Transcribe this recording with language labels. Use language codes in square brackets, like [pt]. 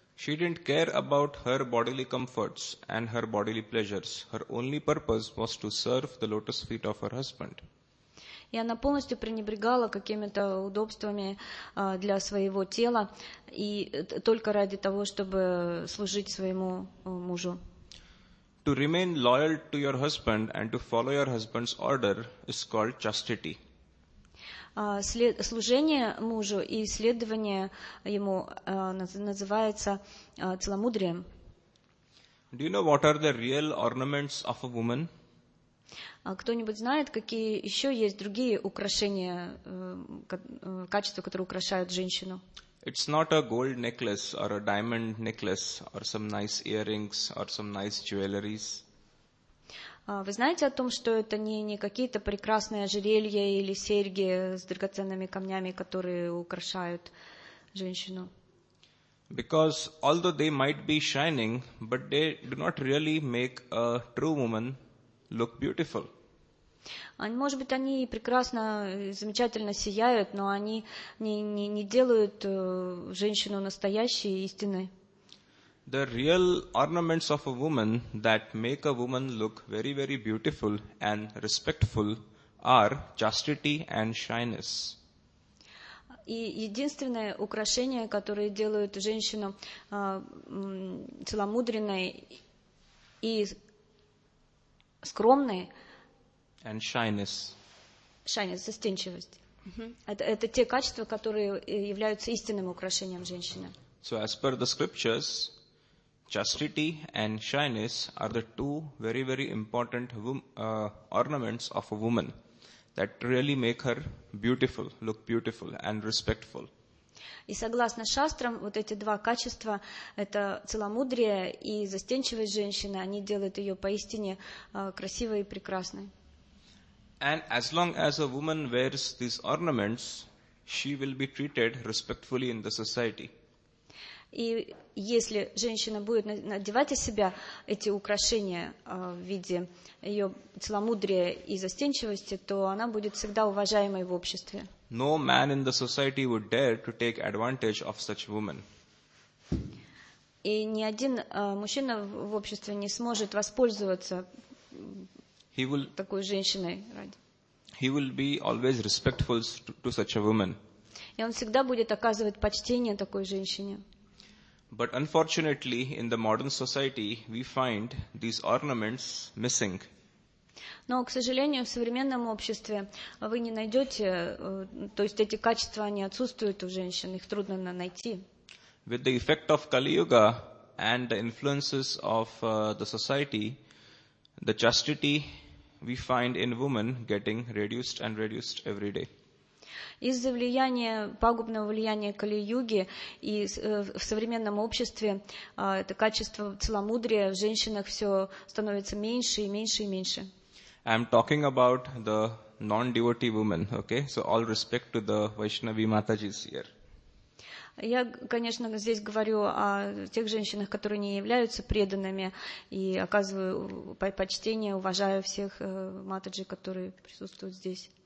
[en] She didn't care about her bodily comforts and her bodily pleasures. Her only purpose was to serve the lotus feet of her husband. [ru] И она полностью пренебрегала какими-то удобствами для своего тела и только ради того, чтобы служить своему мужу. [en] To remain loyal to your husband and to follow your husband's order is called chastity. [ru] Служение мужу и следование ему называется целомудрием. [en] Do you know what are the real ornaments of a woman? [ru] Кто-нибудь знает, какие еще есть другие украшения, качества, которые украшают женщину? [en] It's not a gold necklace or a diamond necklace or some nice earrings or some nice jewelries. [ru] Вы знаете о том, что это не какие-то прекрасные ожерелья или серьги с драгоценными камнями, которые украшают женщину? [en] Because although they might be shining, but they do not really make a true woman look beautiful. [ru] Может быть, они прекрасно, замечательно сияют, но они не делают женщину настоящей, истинной. [en] The real ornaments of a woman that make a woman look very, very beautiful and respectful are chastity and shyness. [ru] И единственное украшение, которое делают женщину целомудренной и скромной. [en] And shyness. [ru] Shyness, застенчивость. Это те качества, которые являются истинным украшением женщины. [en] So as per the scriptures, chastity and shyness are the two very, very important ornaments of a woman that really make her beautiful, look beautiful and respectful. [ru] И согласно шастрам, вот эти два качества, это целомудрие и застенчивость женщины, они делают ее поистине красивой и прекрасной. [en] And as long as a woman wears these ornaments, she will be treated respectfully in the society. [ru] И если женщина будет надевать из себя эти украшения в виде ее целомудрия и застенчивости, то она будет всегда уважаемой в обществе. [en] No man in the society would dare to take advantage of such woman. [ru] И ни один мужчина в обществе не сможет воспользоваться такой женщиной ради. [en] He will be always respectful to such a woman. [ru] И он всегда будет оказывать почтение такой женщине. [en] But unfortunately, in the modern society, we find these ornaments missing. [ru] Но, к сожалению, в современном обществе вы не найдете, то есть эти качества, они отсутствуют у женщин, их трудно найти. [en] With the effect of Kali Yuga and the influences of the society, the chastity we find in women getting reduced and reduced every day. [ru] Из-за влияния, пагубного влияния Кали-юги и в современном обществе это качество целомудрия в женщинах все становится меньше и меньше и меньше. [en] I'm talking about the non-devotee women, okay? So all respect to the Vaishnavi Matajis here. [ru] Я, конечно, здесь говорю о тех женщинах, которые не являются преданными, и оказываю почтение, уважаю всех матаджи, которые присутствуют здесь.